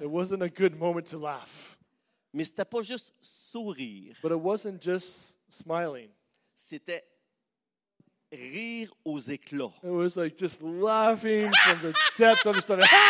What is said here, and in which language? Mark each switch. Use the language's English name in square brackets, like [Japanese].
[English] It wasn't a good moment to laugh. [French] Mais c'était pas juste sourire. [English] But it wasn't just smiling. [French] C'était rire aux éclats. [English] It was like just laughing from the depths of the stomach.